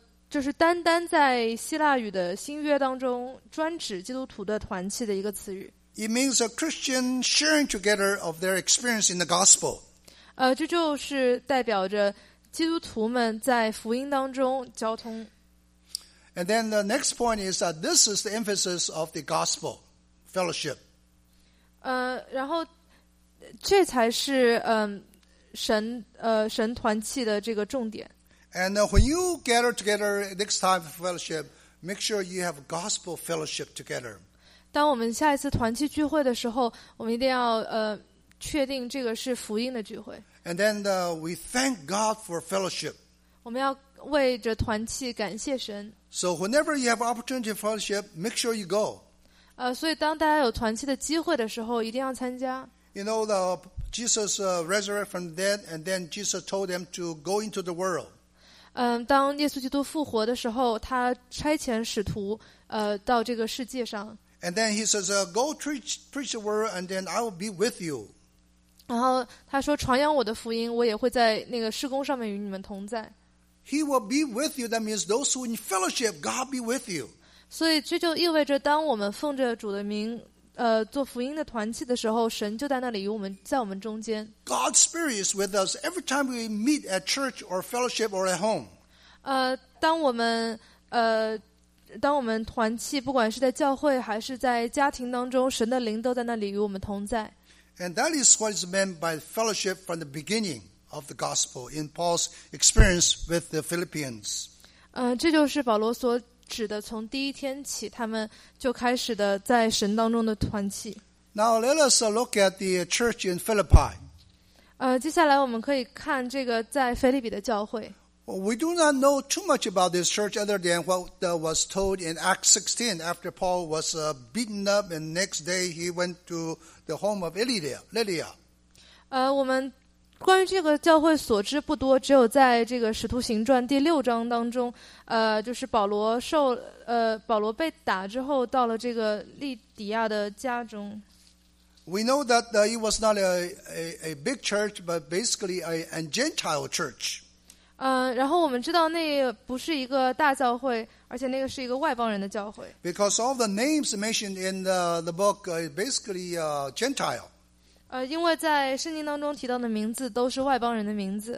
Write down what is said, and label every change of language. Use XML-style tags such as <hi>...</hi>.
<zh>就是单单在希腊语的新约当中专指基督徒的团契的一个词语。</zh> <en>It means a Christian sharing together of their experience in the gospel.</en> <zh>这就是代表着基督徒们在福音当中交通。</zh> <en>And then the next point is that this is the emphasis of the gospel fellowship.</en> <zh>然后这才是神团契的这个重点。</zh> <en>And when you gather together next time for fellowship, make sure you have gospel fellowship together.</en> <zh>当我们下一次团契聚会的时候，我们一定要确定这个是福音的聚会。</zh> <en>And then we thank God for fellowship.</en> <zh>我们要为着团契感谢神。</zh> <en>So whenever you have opportunity for fellowship, make sure you go.</en> <zh>所以当大家有团契的机会的时候，一定要参加。</zh> <en>You know the Jesus resurrected from the dead, and then Jesus told them to go into the world.</en> <zh>当耶稣基督复活的时候，他差遣使徒，到这个世界上。</zh> <en>And then he says, "Go preach the word, and then I will be with you."</en> <zh>然后他说，传扬我的福音，我也会在那个事工上面与你们同在。</zh> <en>He will be with you. That means those who in fellowship, God be with you.</en> <zh>所以这就意味着，当我们奉着主的名，做福音的团契的时候，神就在那里与我们，在我们中间。</zh> <en>God's Spirit is with us every time we meet at church or fellowship or at home.</en> <zh>当我们团契，不管是在教会还是在家庭当中，神的灵都在那里与我们同在。</zh> <en>And that is what is meant by fellowship from the beginning of the gospel in Paul's experience with the Philippians.</en> <zh>这就是保罗所指的从第一天起他们就开始的在神当中的团契。</zh> <en>Now let us look at the church in Philippi.</en> <zh>接下来我们可以看这个在腓立比的教会。</zh> <en>We do not know too much about this church other than what was told in Acts 16 after Paul was beaten up and the next day he went to the home of Lydia.</en> <zh>我们关于这个教会所知不多，只有在这个《使徒行传》第六章当中，就是保罗被打之后到了这个利底亚的家中。</zh> <en>We know that it was not a big church, but basically a Gentile church.</en> <zh>然后我们知道那不是一个大教会，而且那个是一个外邦人的教会。</zh> <en>Because all the names mentioned in the book are basically Gentile.</en> <zh>因为在圣经当中提到的名字都是外邦人的名字。</zh>